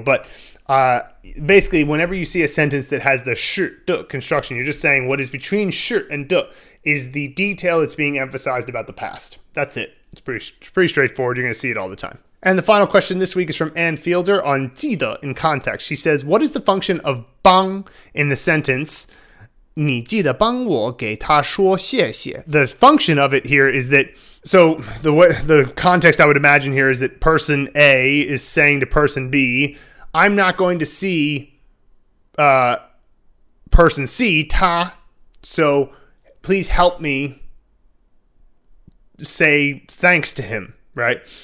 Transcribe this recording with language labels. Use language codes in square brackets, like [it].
[en] But basically, whenever you see a sentence that has the sh, d construction, you're just saying what is between sh and d is the detail that's being emphasized about the past. That's it. It's pretty straightforward. You're going to see it all the time. And the final question this week is from Ann Fielder on zide in context. She says, what is the function of bang in the sentence? [zh] 你记得帮我给他说谢谢? [en] The function of it here is that, so the context I would imagine here is that person A is saying to person B, I'm not going to see person C, ta, so please help me say thanks to him, right?